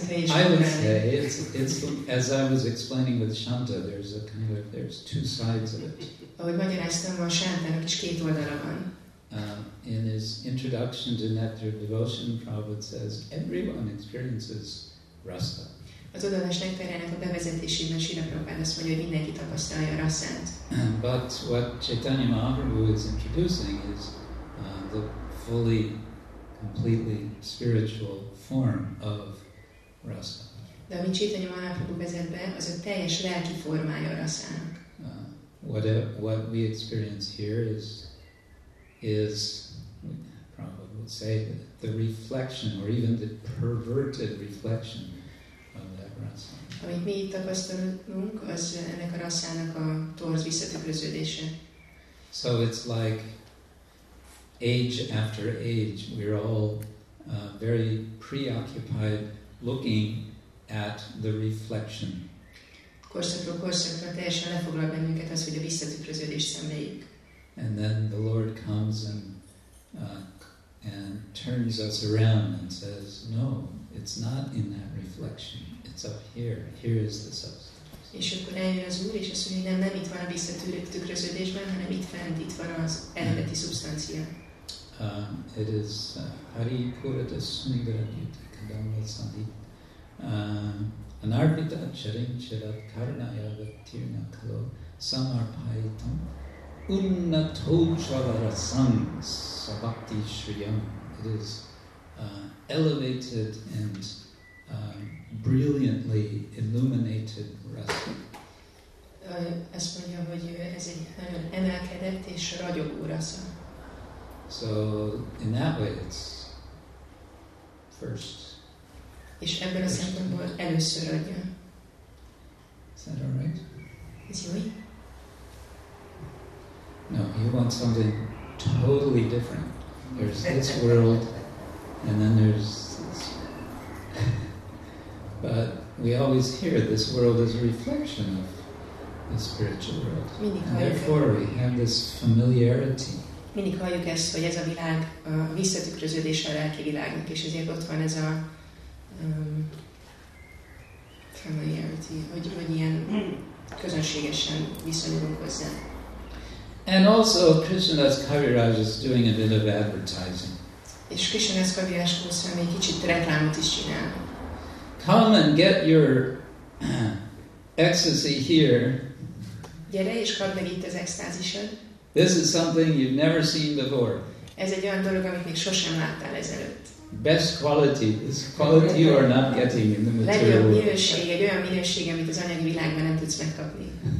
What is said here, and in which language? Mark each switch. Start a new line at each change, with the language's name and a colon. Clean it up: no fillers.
English: I would say it's as I was explaining with Shanta, there's two sides of it.
Hungarian: Ahogy magyaráztam, van Shantának is két oldala van.
English: In his introduction to Nectar of Devotion, Prabhupada says everyone experiences rasa.
Hungarian: Az odaadás nektárjának a bevezetésében Srila Prabhupada azt mondja, hogy mindenki tapasztalja a rasát.
English: But what Chaitanya Mahaprabhu is introducing is the fully completely spiritual form of rasa.
Hungarian: De amit Chaitanya Mahaprabhu vezet be, az a teljes lelki formája a rasának.
English: What we experience here is Prabhupada would say the reflection or even the perverted reflection of that rasa.
Hungarian: Amit mi itt tapasztalunk, az ennek a rasának a torz visszatükröződése.
English: So it's like age after age, we're all very preoccupied looking at the reflection.
Hungarian: Korszakról-korszakra teljesen lefoglal bennünket az, hogy a visszatükröződés szemléljük.
English: And then the Lord comes and turns us around and says, no, it's not in that reflection, it's up here, here is the substance.
Hungarian: És akkor eljön az Úr, és azt mondja, nem itt van a visszatükröződésben, hanem itt fent, itt van az eredeti szubstancia.
Sanskrit: It is Hari Purata Sundara Dhyuta Kadamba Sandhita Anarpita Charin Charat Karnaya Vatirna Kalo Samarpayitam Unnathochavara Sangs Sabhakti Shriyam.
English: It is elevated and brilliantly illuminated rasa.
Hungarian: Azt mondja, hogy ez egy nagyon emelkedett és ragyogó rasa.
English: So in that way, it's first.
Hungarian: És ebből a szempontból először adja.
English: Is that all right?
Hungarian: Ez jó?
English: No, you want something totally different. There's this world, and then there's this world. But we always hear this world is a reflection of the spiritual world. And therefore we have this familiarity.
Hungarian: Mindig halljuk ezt, hogy ez a világ a visszatükröződés a lelki világnak, és ezért ott van ez a familiarity, hogy ilyen közönségesen viszonyulunk hozzá.
English: And also Krishnadas Kaviraj is doing a bit of advertising.
Hungarian: És Krishnadas Kaviraj Goswami egy kicsit reklámot is csinál.
English: Come and get your ecstasy here.
Hungarian: Gyere és kapd meg itt az extázisod.
English: This is something you've never seen before.
Hungarian: Ez egy olyan dolog, amit még sosem láttál ezelőtt.
English: Best quality. This quality you are not getting in the material world.
Hungarian: Legjobb minőség, egy olyan minőség, amit az anyagi világban nem tudsz megkapni.